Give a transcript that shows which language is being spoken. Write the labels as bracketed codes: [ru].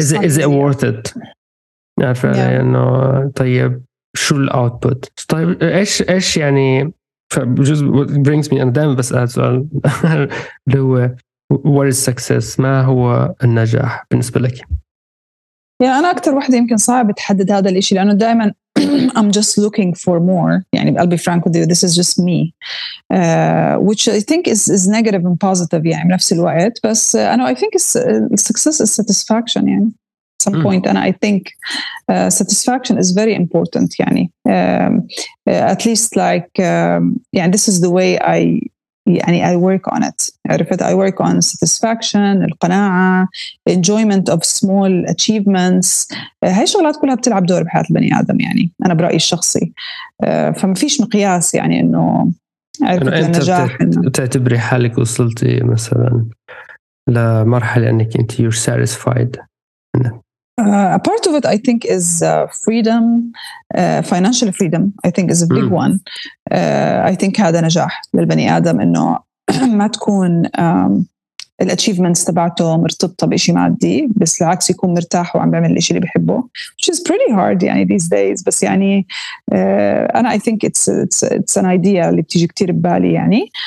[en] Is it worth it؟ [ar] عارفة إنه طيب شو ال output؟ طيب إيش يعني فجزء [en] brings me [ar] أنا دائما بسأل سؤال اللي هو [en] what is success؟ [ar] ما هو النجاح بالنسبة لك؟ يعني أنا أكتر واحدة يمكن صعب تحدد هذا الإشي لأنه دائما [en] I'm just looking for more. يعني I'll be frank with you, this is just me, which I think is negative and positive. [ar] يعني بنفس الوقت بس أنا [en] I think success is satisfaction. يعني at some point and I think satisfaction is very important. يعني at least like يعني this is the way I work on it. عرفت I work on satisfaction, القناعة, enjoyment of small achievements. [ar] هاي شغلات كلها بتلعب دور بحياة البني آدم. يعني أنا برأيي الشخصي فما فيش مقياس. يعني إنه عرفت النجاح تعتبري حالك وصلتي مثلا لمرحلة أنك أنت [en] you're satisfied. A part of it I think is freedom, financial freedom I think is a big one. I think [ar] هذا نجاح للبني آدم إنه ما تكون الأتشيفمنتس تبعته مرتبطة بإشي مادي، بس العكس يكون مرتاح وعم بعمل الإشي اللي بحبه، [en] which is pretty hard [ar] يعني [en] these days. [ar] بس يعني أنا [en] I think it's an idea [ar] اللي بتيجي كتير ببالي يعني.